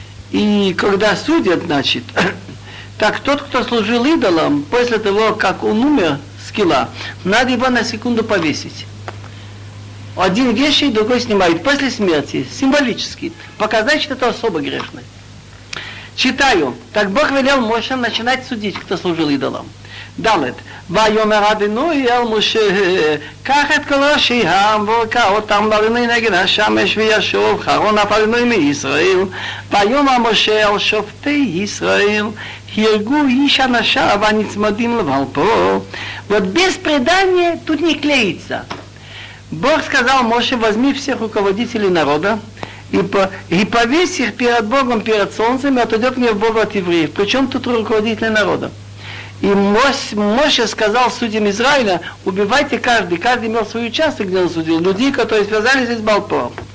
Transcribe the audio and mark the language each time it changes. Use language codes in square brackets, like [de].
[ru] И когда судят, значит, так тот, кто служил идолам, после того, как он умер, скила, надо его на секунду повесить. Один вещь, и другой снимает. После смерти, символически, показать, что это особо грешно. Читаю. Так Бог велел Моше начинать судить, кто служил идолам. [he] Далет, ויאמר אדוני אל משה, קח את כל ראשי העם וקע אותם לאדוני נגד השמש וישוב חרון אף אדוני מישראל. ויאמר משה אל שופטי ישראל, הרגו איש אנשיו הנצמדים לבעל פרעה. [ru] Вот без предания тут не клеится. Бог сказал Моше, возьми всех руководителей народа и повесь их перед Богом, перед солнцем, и отойдет мне в Бога от евреев. Причем тут руководители народа. И Моше сказал судьям Израиля, убивайте каждый, каждый имел свой участок, где он судил, людей, которые связались с Балпором.